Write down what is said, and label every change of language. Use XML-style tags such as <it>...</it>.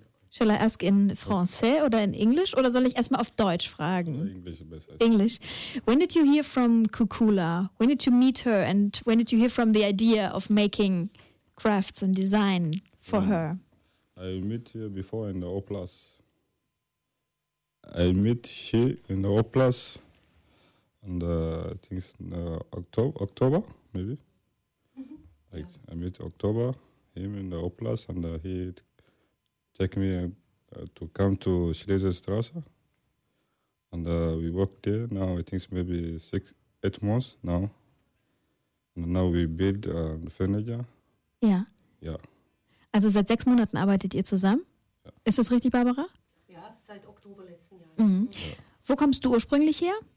<en>Shall I ask in Francais</en> <de>oder in Englisch? Oder soll ich erstmal auf Deutsch fragen? Englisch ist besser. Englisch.</de> <en>When did you hear from Kukula? When did you meet her? And when did you hear from the idea of making crafts and design for her? I met her before in the Oplas. I met her in the Oplas in the, I think it's in October, maybe. Mm-hmm. I met October, him in the Oplas, and he take me to come to Schlesestrasse. And we worked there. Now I think it's maybe 6-8 months now. And now we build the furniture. Yeah. Yeah.</en> <de>Also seit 6 Monaten arbeitet ihr zusammen? Ja. Ist das richtig, Barbara? Ja, seit Oktober letzten Jahres. Mhm. Ja. Wo kommst du ursprünglich her?</de>